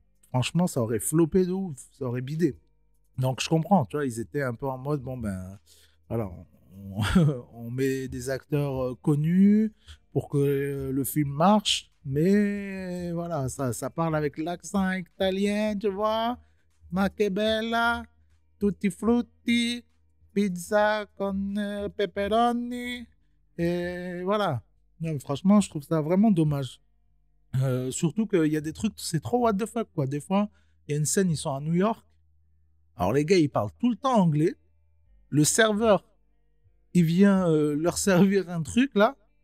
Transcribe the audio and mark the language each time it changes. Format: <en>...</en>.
<fr>Franchement, ça aurait flopé de ouf, ça aurait bidé. Donc je comprends, tu vois, ils étaient un peu en mode, bon ben, voilà, on met des acteurs connus pour que le film marche. Mais voilà, ça parle avec l'accent italien, tu vois.</fr> <it>Ma che bella, tutti frutti, pizza con peperoni.</it> <fr>Et voilà. Non, franchement, je trouve ça vraiment dommage. Surtout qu'il y a des trucs, c'est trop</fr> <en>what the fuck,</en> <fr>quoi. Des fois, il y a une scène, ils sont à New York. Alors les gars, ils parlent tout le temps anglais. Le serveur, il vient leur servir un truc, là.</fr>